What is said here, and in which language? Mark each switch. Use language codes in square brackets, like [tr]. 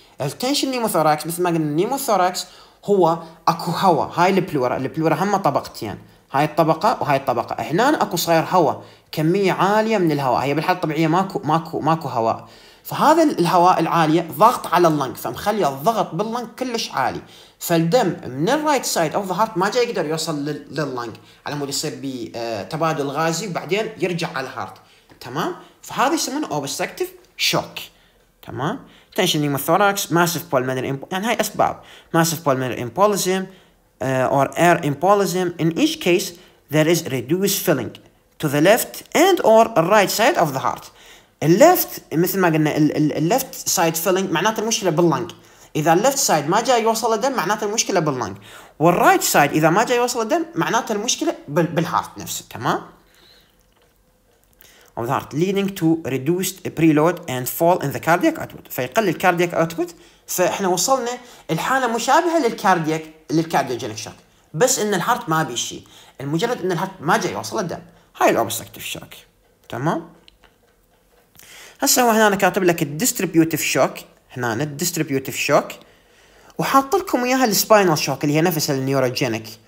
[ar] التنشن نيموثوراكس مثل ما قلنا نيموثوراكس هو اكو هواء، هاي البلورا، البلورا هم طبقتين، هاي الطبقة وهاي الطبقة، هنا اكو صاير هواء، كمية عالية من الهواء، هي بالحالة الطبيعية ماكو ماكو ماكو هواء، فهذا الهواء العالية ضغط على اللنج، فمخلي الضغط باللنج كلش عالي، فالدم من [en] الرايت side of the heart [ar] ما جاي يقدر يوصل لللنج، على مود يصير بي تبادل غازي وبعدين يرجع على الهارت. تمام؟ فهذا يسمونه اوبستركتيف شوك. تمام؟ تنشن نيموثوراكس، ماسف بولمنر يعني هاي اسباب، ماسف بولمنر امبوليزم [en] or air embolism. In each case there is reduced filling to the left and or right side of the heart. [ar] Left مثل ما قلنا [en] left side filling [ar] معناته المشكلة باللنج، إذا left side ما جاء يوصل الدم معناته المشكلة باللنج، والright side إذا ما جاء يوصل الدم معناته المشكلة بالheart نفسه. [en] تمام، of the heart leading to reduced preload and fall in the cardiac output، فيقل الكاردياك output، [ar] فإحنا وصلنا الحالة مشابهة للكاردياك للكارديوجينيك شوك، بس ان الهارت ما بي شيء، المجرد ان الهارت ما جاي يوصل الدم، هاي الاوبستراكتيف شوك. تمام، هسه هنا انا كاتب لك الديستريبيوتيف شوك، هنا الديستريبيوتيف شوك، وحاط لكم اياها السباينال شوك اللي هي نفس النيوروجينيك.